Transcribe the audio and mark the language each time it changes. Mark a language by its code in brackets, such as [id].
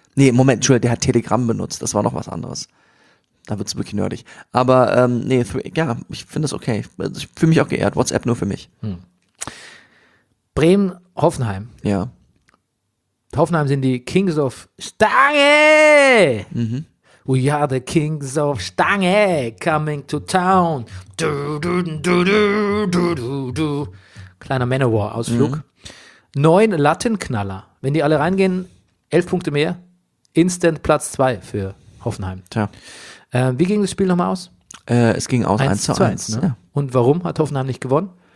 [de] Nee, Moment, Entschuldigung, der hat Telegram benutzt. Das war noch was anderes. Da wird es wirklich nerdig. Aber ich finde das okay. Ich fühle mich auch geehrt. WhatsApp nur für mich. Hm. Bremen, Hoffenheim. Ja. Hoffenheim sind die Kings of Stange. Mhm. [en] We are the Kings of Stange coming to town. Du, du, du, du, du, du, du. [de] Kleiner Manowar-Ausflug. Mhm. 9 Lattenknaller. Wenn die alle reingehen, 11 Punkte mehr. Instant Platz 2 für Hoffenheim. Tja. Wie ging das Spiel nochmal aus? Es ging aus 1-1. Ne? Ja. Und warum hat Hoffenheim nicht gewonnen?